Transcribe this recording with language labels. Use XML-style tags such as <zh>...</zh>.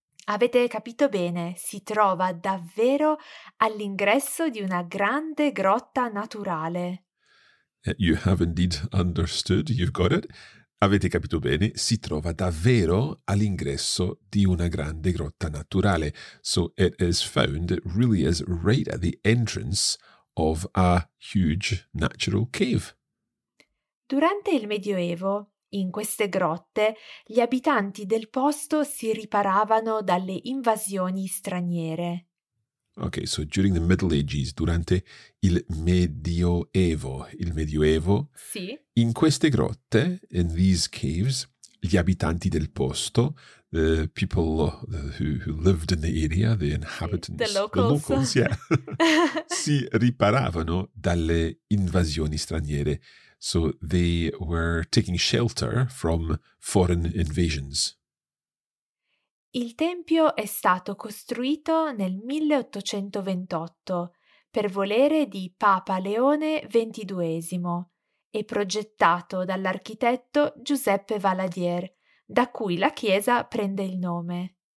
<it>Avete capito bene, si trova davvero all'ingresso di una grande grotta naturale.</it> <en>You have indeed understood, you've got it.</en> <it>Avete capito bene, si trova davvero all'ingresso di una grande grotta naturale.</it> <en>So it is found, it really is right at the entrance of a huge natural cave.</en> <it>Durante il Medioevo, In queste grotte, gli abitanti del posto si riparavano dalle invasioni straniere.</it> <en>Ok, so during the Middle Ages, durante il Medioevo,</en> <it>sì.</it> <en>In queste grotte, in these caves, gli abitanti del posto, the people who lived in the area, the inhabitants, the locals</en> <it>yeah, si riparavano dalle invasioni straniere.</it> <en>So they were taking shelter from foreign invasions.</en> <it>Il tempio è stato costruito nel 1828 per volere di Papa Leone XXII e progettato dall'architetto Giuseppe Valadier, da cui la chiesa prende il nome.</it>